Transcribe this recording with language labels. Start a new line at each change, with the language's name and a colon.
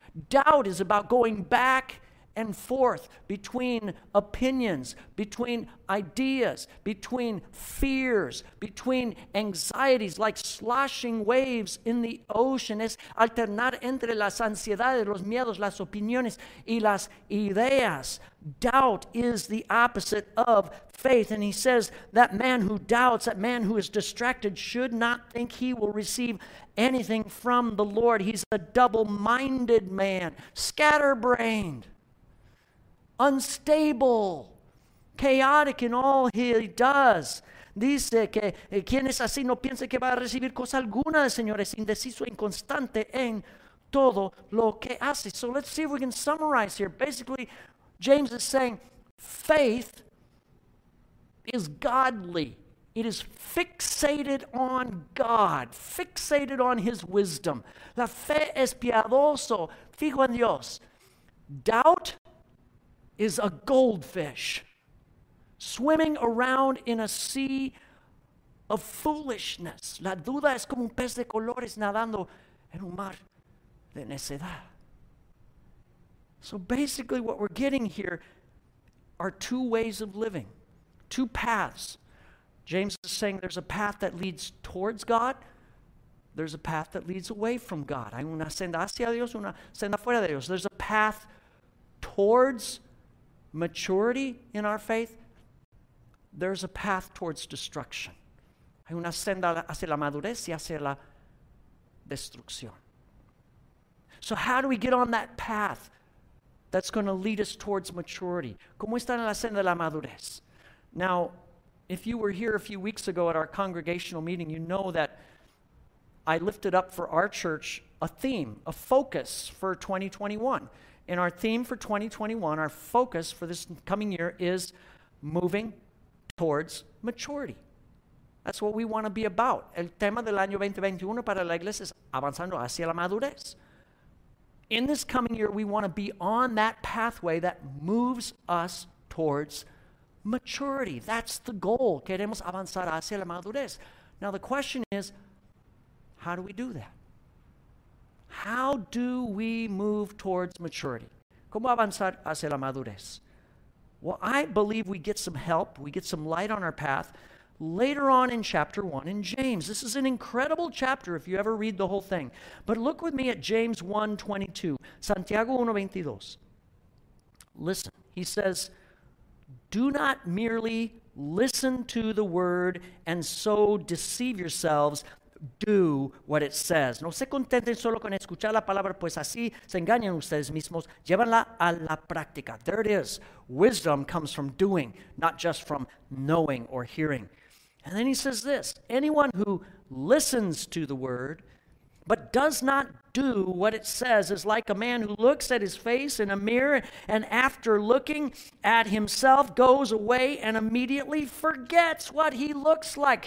English: Doubt is about going back and forth between opinions, between ideas, between fears, between anxieties, like sloshing waves in the ocean.
Spanish: Es alternar entre las ansiedades, los miedos, las opiniones y las ideas.
English: Doubt is the opposite of faith. And he says that man who doubts, that man who is distracted, should not think he will receive anything from the Lord. He's a double-minded man, scatterbrained, unstable, chaotic in all he does.
Spanish: Dice que quien es así no piense que va a recibir cosa alguna del Señor, es indeciso e inconstante en todo lo que hace.
English: So let's see if we can summarize here. Basically, James is saying faith is godly. It is fixated on God, fixated on his wisdom.
Spanish: La fe es piadoso, fijo en Dios.
English: Doubt is a goldfish swimming around in a sea of foolishness.
Spanish: La duda es como un pez de colores nadando en un mar de necedad.
English: So basically what we're getting here are two ways of living, two paths. James is saying there's a path that leads towards God. There's a path that leads away from God.
Spanish: Hay una senda hacia Dios, una senda fuera de Dios.
English: There's a path towards maturity in our faith, there's a path towards destruction.
Spanish: Hay una senda hacia la madurez y hacia la destrucción.
English: So how do we get on that path that's going to lead us towards maturity?
Spanish: ¿Cómo está en la senda de la madurez?
English: Now, if you were here a few weeks ago at our congregational meeting, you know that I lifted up for our church a theme, a focus for 2021. And our theme for 2021, our focus for this coming year is moving towards maturity. That's what we want to be about.
Spanish: El tema del año 2021 para la iglesia es avanzando hacia la madurez.
English: In this coming year, we want to be on that pathway that moves us towards maturity. That's the goal.
Spanish: Queremos avanzar hacia la madurez.
English: Now the question is, how do we do that? How do we move towards maturity?
Spanish: ¿Cómo avanzar hacia la madurez?
English: Well, I believe we get some help, we get some light on our path later on in chapter 1 in James. This is an incredible chapter if you ever read the whole thing. But look with me at James 1:22, Santiago 1:22. Listen, he says, do not merely listen to the word and so deceive yourselves. do what it says.
Spanish: No se contenten solo con escuchar la palabra, pues así se engañan ustedes mismos. Llévanla a la práctica.
English: There it is. Wisdom comes from doing, not just from knowing or hearing. And then he says this, anyone who listens to the word but does not do what it says is like a man who looks at his face in a mirror and after looking at himself goes away and immediately forgets what he looks like.